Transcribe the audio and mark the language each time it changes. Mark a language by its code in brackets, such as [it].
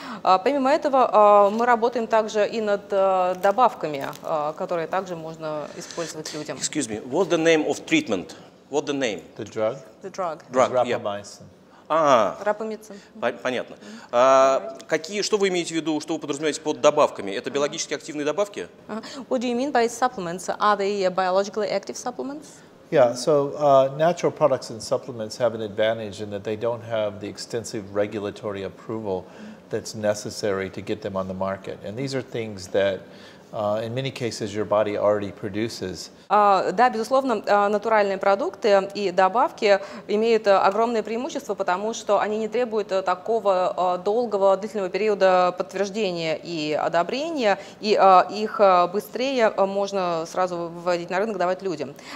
[ru] Помимо этого, мы работаем также и над добавками, которые также можно использовать людям. [en] Excuse me, what's the name of treatment? What's the name? The drug? The drug. Drug, rapamycin. Ага. [ru] Рапамицин. Понятно. Что вы имеете в виду, что вы подразумеваете под добавками? Это биологически активные добавки? [en] What do you mean by supplements? Are they biologically active supplements? Yeah, so natural products and supplements have an advantage in that they don't have the extensive regulatory approval that's necessary to get them on the market. And these are things that, in many cases, your body already produces. [ru] Да, безусловно, натуральные продукты и добавки имеют огромное преимущество, потому что они не требуют такого долгого, длительного периода подтверждения и одобрения, и их быстрее можно сразу выводить на рынок, давать людям.